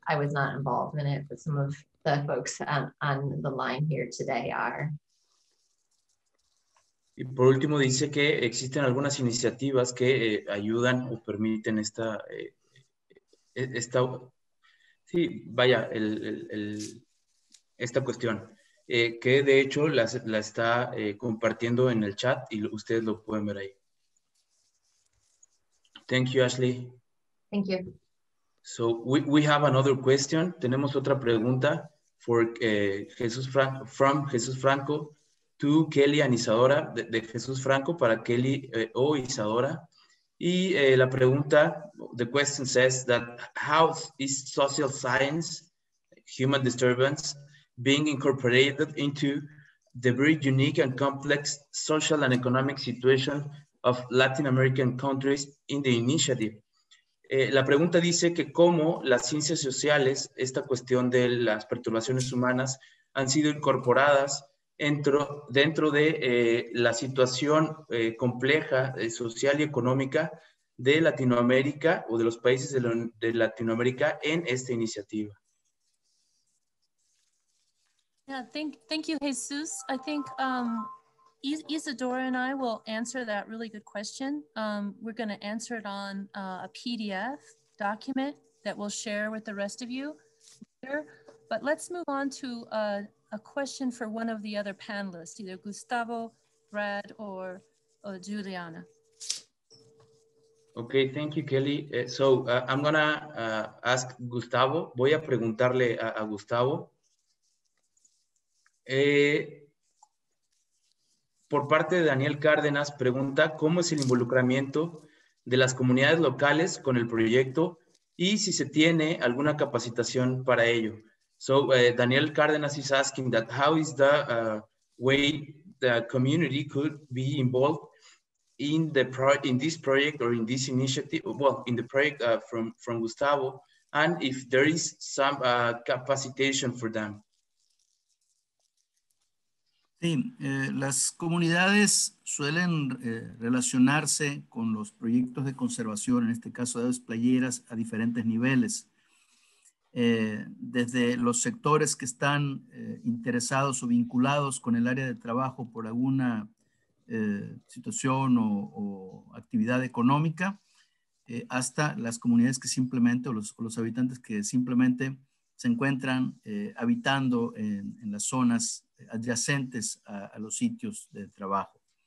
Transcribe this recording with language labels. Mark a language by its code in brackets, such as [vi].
[en] I was not involved in it, but some of the folks on the line here today are. [es] Y por último, dice que existen algunas iniciativas que ayudan o permiten esta cuestión, que de hecho la está compartiendo en el chat y ustedes lo pueden ver ahí. [en] Thank you, Ashley. Thank you. So we have another question. [es] Tenemos otra pregunta [en] from Jesús Franco to Kelly and Isadora, [es] de Jesús Franco para Kelly Isadora. Y la pregunta, [en] the question says that how is social science, human disturbance, being incorporated into the very unique and complex social and economic situation of Latin American Countries in the Initiative. [es] La pregunta dice que cómo las ciencias sociales, esta cuestión de las perturbaciones humanas, han sido incorporadas dentro de la situación compleja social y económica de Latinoamérica o de los países de Latinoamérica en esta iniciativa. [en] Yeah, thank you, Jesus. I think Isadora and I will answer that really good question. We're going to answer it on a PDF document that we'll share with the rest of you later. But let's move on to a question for one of the other panelists, either Gustavo, Brad, or Juliana. Okay, thank you, Kelly. I'm going to ask Gustavo. [es] Voy a preguntarle a Gustavo. Por parte de Daniel Cárdenas, pregunta cómo es el involucramiento de las comunidades locales con el proyecto y si se tiene alguna capacitación para ello. [en] Daniel Cárdenas is asking that how is the way the community could be involved in the in this project or in this initiative, well, in the project from Gustavo, and if there is some capacitation for them. [es] Sí, las comunidades suelen relacionarse con los proyectos de conservación, en este caso de aves playeras, a diferentes niveles. Desde los sectores que están interesados o vinculados con el área de trabajo por alguna situación o actividad económica, hasta las comunidades que simplemente, o los habitantes que simplemente se encuentran habitando en las zonas adyacentes a los sitios de trabajo.